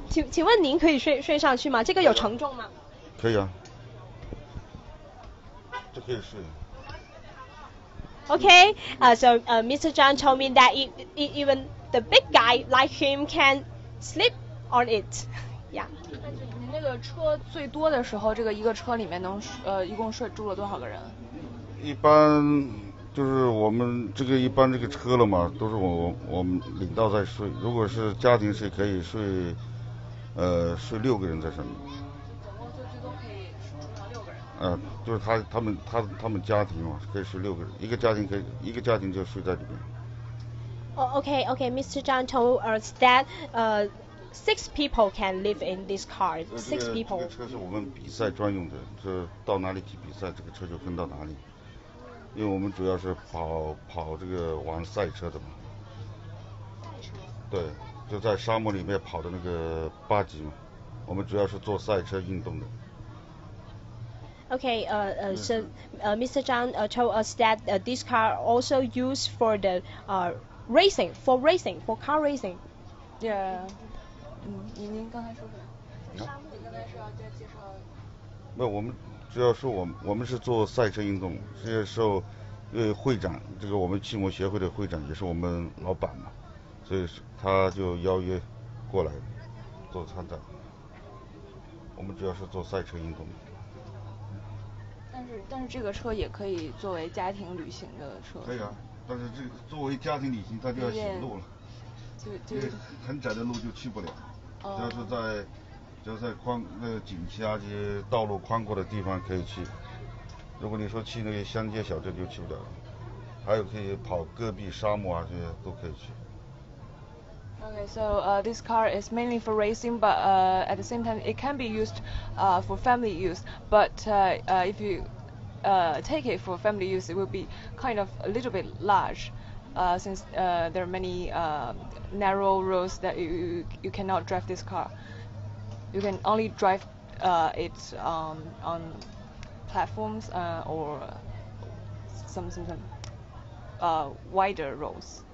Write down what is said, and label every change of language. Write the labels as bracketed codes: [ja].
[zh] 请问您可以睡上去吗？这个有承重吗？可以啊，这可以睡。 [en] Okay, Mr. Zhang told me that even the big guy like him can sleep on it. Yeah. [zh] 那个车最多的时候，这个一个车里面能一共睡住了多少个人？一般就是我们这个一般这个车了嘛，都是我们领导在睡。如果是家庭睡，可以睡睡六个人在上面。总共就最多可以住上六个人。就是他们家庭嘛，可以睡六个人，一个家庭就睡在里面。 [en] Okay, Mr. Zhang told us that six people can live in this car. Six people. [zh] 这个车是我们比赛专用的，这到哪里去比赛，这个车就跟到哪里。因为我们主要是跑这个玩赛车的嘛。赛车。对，就在沙漠里面跑的那个八级嘛，我们主要是做赛车运动的。 [en] Okay, Mr. Zhang told us that this car also used for the car racing. Yeah. [zh] 您刚才说什么？沙漠，你刚才说要介绍。没有，我们主要是我们是做赛车运动，是受会长，这个我们汽摩协会的会长也是我们老板嘛，所以他就邀约过来做参展。我们主要是做赛车运动。但是这个车也可以作为家庭旅行的车。可以啊，但是这个作为家庭旅行，它就要行路了。就很窄的路就去不了，只要是在宽那个景区啊，这些道路宽阔的地方可以去。如果你说去那些乡间小镇就去不了，还有可以跑戈壁沙漠啊，这些都可以去。 [en] Okay, so this car is mainly for racing, but at the same time it can be used for family use. But if you take it for family use, it will be kind of a little bit large. Since there are many narrow roads that you cannot drive this car, you can only drive it on platforms or some wider roads.